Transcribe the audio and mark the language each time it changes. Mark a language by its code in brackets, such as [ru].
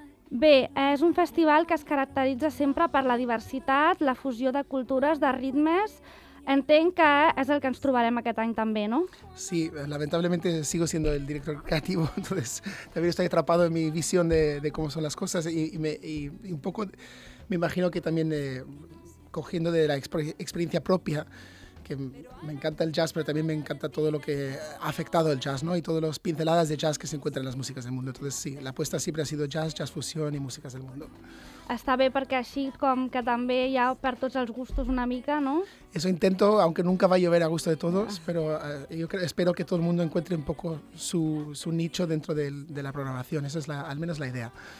[ca] Bé, és un festival que es caracteritza sempre per la diversitat, la fusió de cultures, de ritmes. Entenc que és el que ens trobarem aquest any també, no? [es] Sí, lamentablemente sigo siendo el director creativo, entonces también estoy atrapado en mi visión de cómo son las cosas y un poco me imagino que también cogiendo de la experiencia propia, que me encanta el jazz, pero también me encanta todo lo que ha afectado el jazz, ¿no? Y todas las pinceladas de jazz que se encuentran en las músicas del mundo. Entonces, sí, la apuesta siempre ha sido jazz, jazz fusión y músicas del mundo. [ca] Està bé, perquè així com que també hi ha per tots els gustos una mica, no? [es] Eso intento, aunque nunca va a llover a gusto de todos, pero espero que todo el mundo encuentre un poco su nicho dentro de la programación. Esa es al menos la idea.